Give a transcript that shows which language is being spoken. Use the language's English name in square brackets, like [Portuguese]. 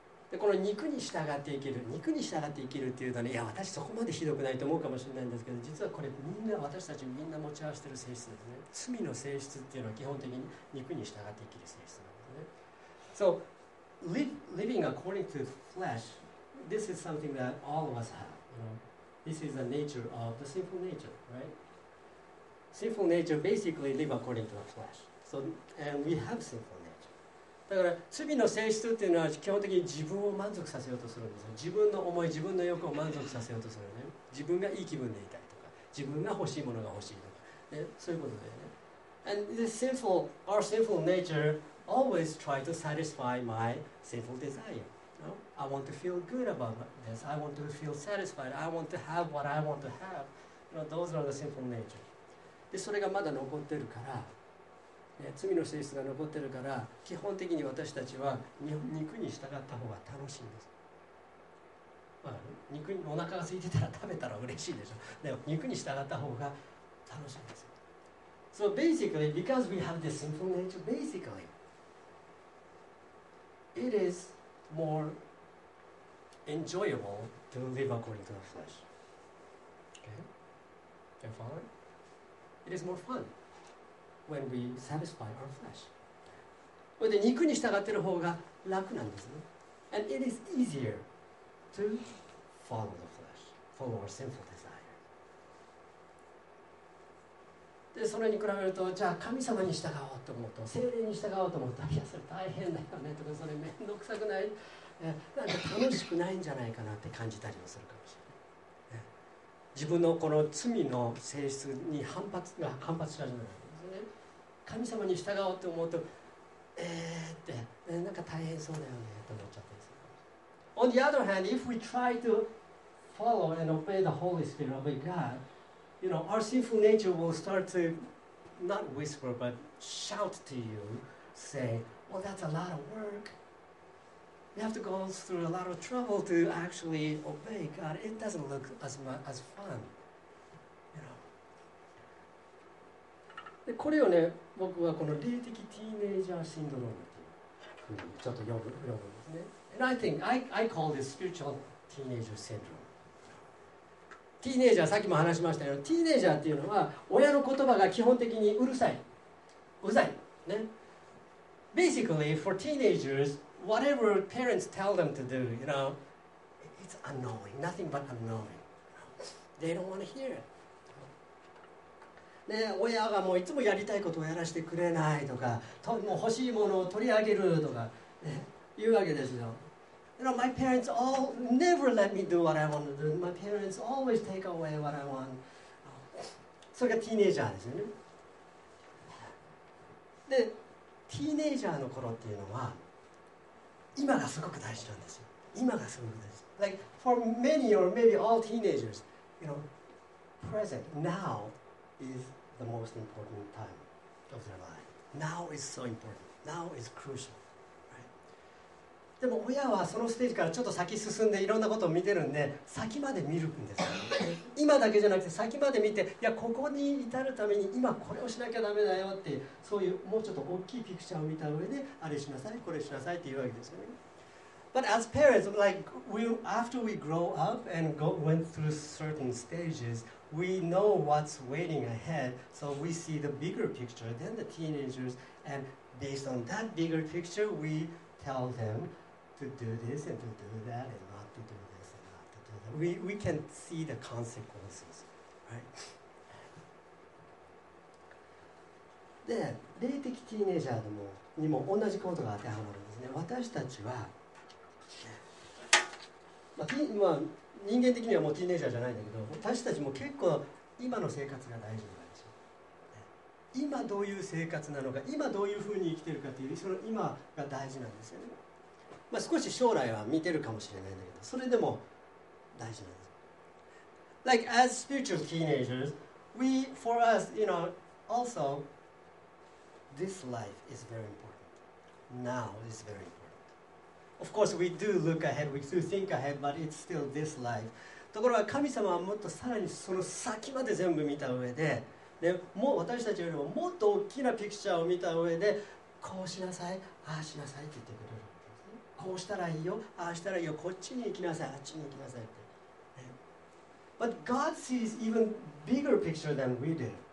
[Japanese] でこの肉に従って生きる、肉に従って生きるっていうとね、いや私そこまでひどくないと思うかもしれないんですけど、実はこれみんな私たちみんな持ち合わせてる性質ですね。罪の性質っていうのは基本的に肉に従って生きる性質なんですね。 [English] So living according to flesh, this is something that all of us have. You know, this is the nature of the sinful nature, right? Sinful nature basically live according to the flesh. So and we have sinful. [Japanese] だから罪の性質っていうのは基本的に自分を満足させようとするんですよ。自分の思い、自分の欲を満足させようとするね。自分がいい気分でいたいとか、自分が欲しいものが欲しいとか、ね、そういうことだよね。 [English] And this sinful, our sinful nature always try to satisfy my sinful desire. No? I want to feel good about this. I want to feel satisfied. I want to have what I want to have. You know, those are the sinful nature. [Japanese] で、それがまだ残ってるから、罪の性質が残ってるから基本的に私たちは肉に従った方が楽しいんです、まあ、肉にお腹が空いてたら食べたら嬉しいでしょ。でも肉に従った方が楽しいんです。 [English] So basically because we have this sinful nature, basically it is more enjoyable to live according to the flesh. Okay, can you follow? It is more funWhen we satisfy our flesh. [Japanese] それで肉に従っている方が楽なんですね。 [English] And it is easier to follow the flesh, follow our sinful desire. [Japanese] で、それに比べると、じゃあ神様に従おうと思うと、聖霊に従おうと思うと、いや、それ大変だよねとか、それめんどくさくない、なんか楽しくないんじゃないかなって感じたりもするかもしれない。自分のこの罪の性質に反発が反発しちゃう。神様に従おうと思うと、ってなんか大変そうだよねと思っちゃったんです。 [English] On the other hand, if we try to follow and obey the Holy Spirit of God, you know, our sinful nature will start to not whisper but shout to you, say, "Well, that's a lot of work. We have to go through a lot of trouble to actually obey God. It doesn't look as fun." You know. [Japanese] でこれをね。僕はこの霊的ティーネイジャーシンドロームというふうにちょっと呼ぶんですね。 [English] And I think I call this spiritual teenager syndrome. [Japanese] ティーネイジャー、さっきも話しましたけど、ティーネイジャーっていうのは親の言葉が基本的にうるさい。うざい。ね。 [English] Basically, for teenagers, whatever parents tell them to do, you know, it's annoying. Nothing but annoying. They don't want to hear it. [Japanese] ね、親がもういつもやりたいことをやらせてくれないとか、ともう欲しいものを取り上げるとか、ね、言うわけですよ。 [English] You know, my parents all never let me do what I want to do. My parents always take away what I want. [Japanese] それがティーネイジャーですよね。で、ティーネイジャーの頃っていうのは、今がすごく大事なんですよ。今がすごく大事。 [English] Like, for many or maybe all teenagers, you know, present, now is the most important time of their life. Now is so important. Now is crucial. [Japanese] でも親はそのステージからちょっと先進んでいろんなことを見てるんで先まで見るんですよ、ね、今だけじゃなくて先まで見ていやここに至るために今これをしなきゃダメだよっていうそういうもうちょっと大きいピクチャーを見た上であれしなさいこれしなさいっていうわけですよね。 [English] But as parents, like, we, after we grow up and go, went through certain stages, we know what's waiting ahead, so we see the bigger picture than the teenagers, and based on that bigger picture, weTell them to do this and to do that and not to do this and not to do that. We can see the consequences, right? [Japanese] で、霊的ティーネイジャーでもにも同じことが当てはまるんですね。私たちは、まあ、人間的にはもうティーネイジャーじゃないんだけど、私たちも結構今の生活が大事なんですよ。今どういう生活なのか、今どういうふうに生きてるかという、その今が大事なんですよね。まあ、少し将来は見てるかもしれないんだけど、それでも大事なんです。 [English] Like, as spiritual teenagers, we, for us, you know, also, this life is very important. Now is very important. Of course, we do look ahead, we do think ahead, but it's still this life. [Japanese] ところが神様はもっとさらにその先まで全部見た上で、でもう私たちよりももっと大きなピクチャーを見た上でこうしなさい、ああしなさいって言ってくれるんです、ね、こうしたらいいよ、ああしたらいいよ、こっちに行きなさい、あっちに行きなさいって、ね、 [English] But God sees even bigger picture than we do.